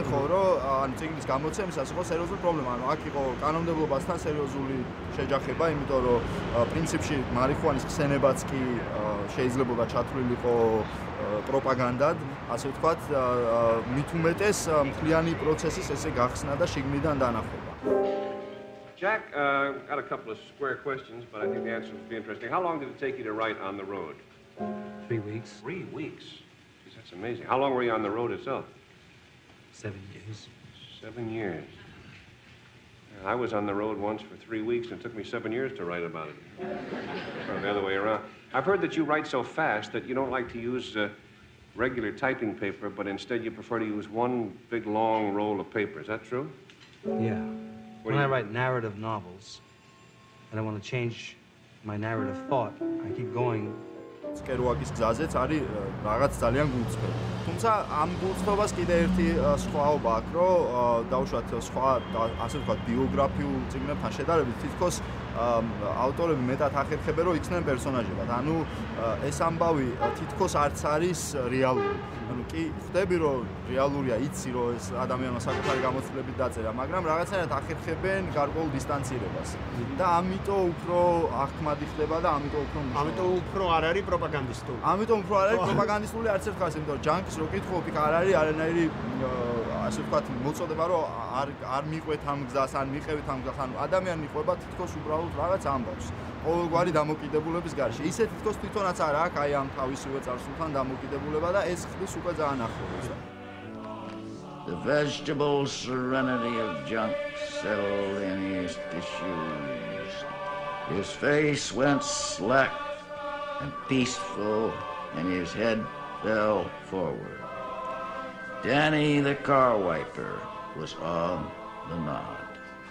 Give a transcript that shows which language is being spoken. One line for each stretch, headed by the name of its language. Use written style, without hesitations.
Georgian: ხო, რომ ანუ წიგნის გამოცემისას იყო სერიოზული პრობლემა, ანუ აქ იყო კანონმდებლობასთან სერიოზული შეჯახება, იმიტომ რომ პრინციპში მარიხუანის ხსენებაც კი შეიძლებოდა ჩათვლილიყო პროპაგანდად, ასე ვთქვათ, მითუმეტეს მთლიანი პროცესის ესე გახსნა და შიგნიდან დანახვა.
English: Jack, got a couple of square questions, but I think the answer would be interesting. How long did it take you to write On the Road? 3 weeks. 3 weeks? That's amazing. How long were you on the road itself? 7 years. 7 years. Yeah, I was on the road once for 3 weeks, and it took me 7 years to write about it. Or the other way around. I've heard that you write so fast that you don't like to use regular typing paper, but instead you prefer to use one big, long roll of paper. Is that true? Yeah. When I write narrative novels, and I want to change my narrative thought, I keep going.
Georgian: სკერვაკის გზაზეც არის რაღაც ძალიან გულწრფელი. თუმცა ამ გულწრფობას კიდე ერთი სხვაობა აქვს, რომ დაუშვათ სხვა ასე ვთქვათ ბიოგრაფიულ წიგნებთან შედარებით თითქოს ავტორები მეტად ახერხებენ რომ იქნნენ პერსონაჟებად. ანუ ეს ამბავი თითქოს არც არის რეალური. ანუ კი ხვდები რომ რეალურია იცი რომ ეს ადამიანმა საკუთარი გამოცდილებით დაწერა, მაგრამ რაღაცნაირად ახერხებენ გარკვეულ დისტანცირებას. და ამიტომ უფრო ახმადი ხდება და ამიტომ უფრო მუშაობს. ამიტომ უფრო არ არის პროპაგანდისტული. ამიტომ უფრო არ არის პროპაგანდისტული არც ერთ ხასიათს, იმიტომ რომ ჯანკის რო კითხულობ იქ არ არის არანაირი ასე ვთქვათ მოწოდება რომ არ მიყვეთ ამ გზას, არ მიყევით ამ გზას, ანუ ადამიანი ყובה თითქოს უბრალოდ რაღაც ამბავს. ყოველგვარი დამოკიდებულების გარშე. ისე თითქოს თვითონაც არა აქ აი ამ თავისივე წარსულთან დამოკიდებულება და ეს ხდის უკვე ძალიან ახლოს.
English: The vegetable serenity of junk settled in his tissues. His face went slack and peaceful and his head fell forward. Danny the car wiper was on the nod.